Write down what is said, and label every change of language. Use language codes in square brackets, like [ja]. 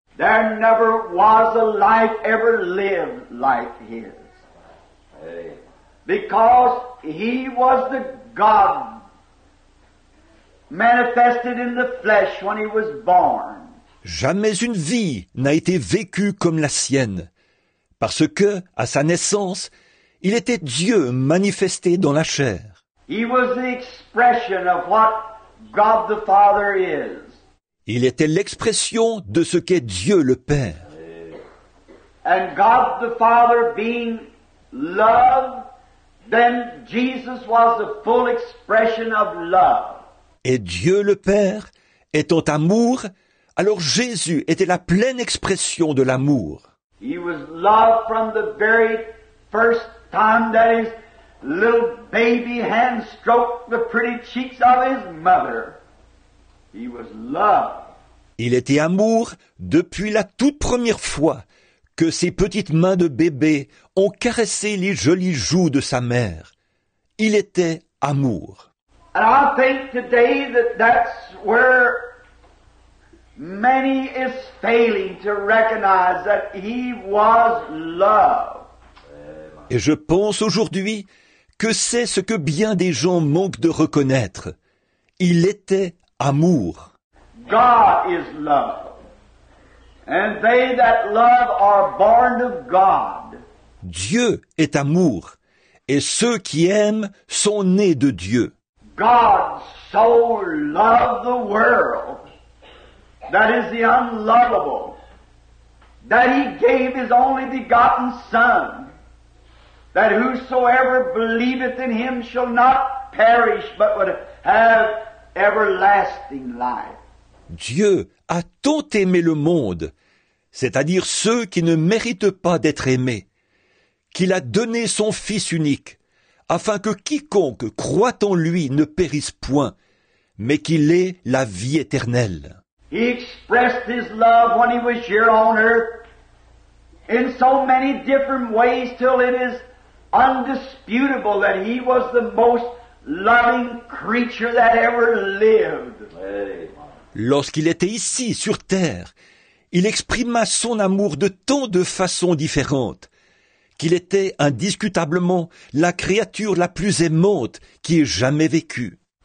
[en] There never was a life ever lived like his. Because he was the God manifested in the flesh when he was born. [fr] Jamais une vie n'a été vécue comme la sienne, parce que, à sa naissance, il était Dieu manifesté dans la chair. [en] He was the expression of what God the Father is. [fr] Il était l'expression de ce qu'est Dieu le Père. [en] And God the Father being love, then Jesus was the full expression of love. [fr] Et Dieu le Père étant amour, alors Jésus était la pleine expression de l'amour. [en] He was love from the very first time that his little baby hand stroked the pretty cheeks of his mother. He was love. [fr] Il était amour depuis la toute première fois que ses petites mains de bébé ont caressé les jolies joues de sa mère. Il était amour. [en] And I think today that that's where many is failing to recognize that he was love. [fr] Et je pense aujourd'hui que c'est ce que bien des gens manquent de reconnaître. Il était amour. [en] God is love. And they that love are born of God. [fr] Dieu est amour, et ceux qui aiment sont nés de Dieu. [en] God so loved the world, that is the unlovable, that he gave his only begotten Son, that whosoever believeth in him shall not perish, but would have everlasting life. [fr] Dieu a tant aimé le monde, c'est-à-dire ceux qui ne méritent pas d'être aimés, qu'il a donné son Fils unique, afin que quiconque croit en lui ne périsse point, mais qu'il ait la vie éternelle. [en] He expressed his love when he was here on earth in so many different ways till it is undisputable that he was the most loving creature that ever lived. [fr] Lorsqu'il était ici, sur terre, il exprima son amour de tant de façons différentes qu'il était indiscutablement la créature la plus aimante qui ait jamais vécu.